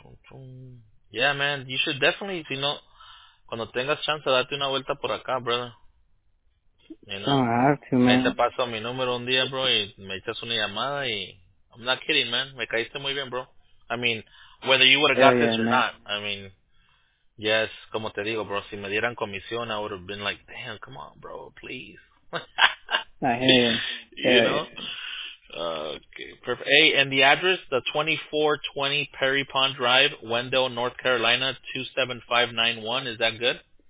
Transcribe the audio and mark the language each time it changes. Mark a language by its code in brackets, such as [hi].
[en] Yeah. Yeah, man. You should definitely, you know, [es] cuando tengas chance, date una vuelta por acá, brother. [en] You know? Oh, I have to, man. [es] Ahí te paso mi número un día, bro, y me echas una llamada y... [en] I'm not kidding, man. [es] Me caíste muy bien, bro. [en] I mean, whether you would have got this or man. Not, I mean... Yes, [es] como te digo, bro, si me dieran comisión, [en] I would have been like, damn, come on, bro, please. Okay, perfect. Hey, and the address, the 2420 Perry Pond Drive, Wendell, North Carolina, 27591. Is that good?